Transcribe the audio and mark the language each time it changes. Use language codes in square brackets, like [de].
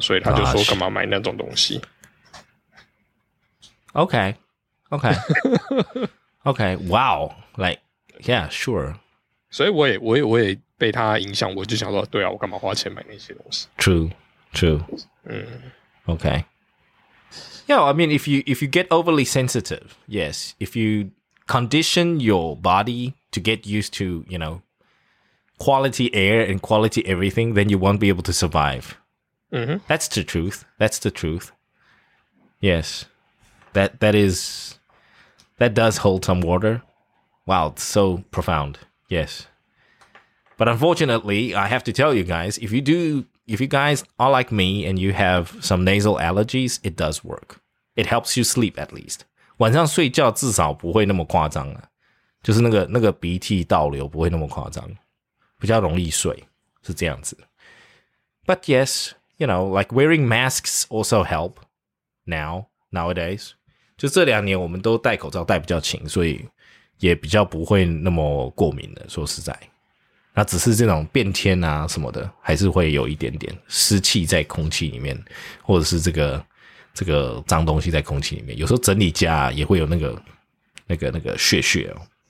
[zh] 所以他就说干嘛买那种东西。 [en] Okay, wow, like, yeah, sure. [zh] 所以我也被他影响，我就想说，对啊，我干嘛花钱买那些东西？ [en] True. Okay. Yeah, I mean, if you get overly sensitive, yes, if you condition your body to get used to, you know, quality air and quality everything, then you won't be able to survive. Mm-hmm. That's the truth. That's the truth. Yes. That is... That does hold some water. Wow, it's so profound. Yes. But unfortunately, I have to tell you guys, if you guys are like me and you have some nasal allergies, it does work. It helps you sleep at least. [zh] 晚上睡觉至少不会那么夸张啊。就是那个鼻涕倒流不会那么夸张。比较容易睡。是这样子。 [en] But yes, you know, like wearing masks also help nowadays. [zh] 就这两年我们都戴口罩戴比较勤，所以也比较不会那么过敏了，说实在。那只是这种变天啊什么的还是会有一点点湿气在空气里面，或者是这个脏东西在空气里面，有时候整理家也会有那个屑屑哦。